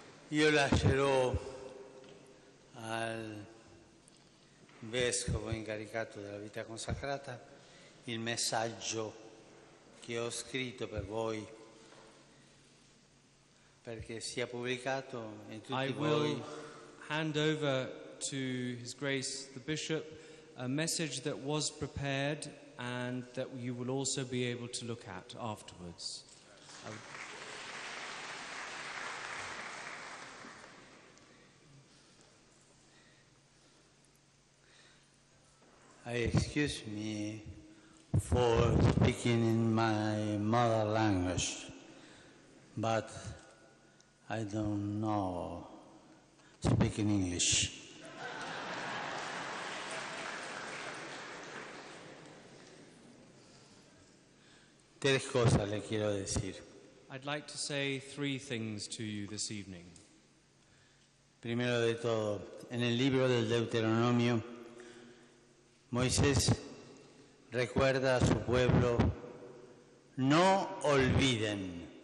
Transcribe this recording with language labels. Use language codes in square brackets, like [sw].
[it] Io lascerò al vescovo incaricato della vita consacrata il messaggio che ho scritto per voi perché sia pubblicato in tutti voi. [en] I will hand over to His Grace the Bishop a message that was prepared and that you will also be able to look at afterwards. I excuse me for speaking in my mother language, but I don't know speaking English. [es] Tres cosas le quiero decir. [en] I'd like to say three things to you this evening. [es] Primero de todo, en el libro del Deuteronomio, Moisés recuerda a su pueblo, no olviden.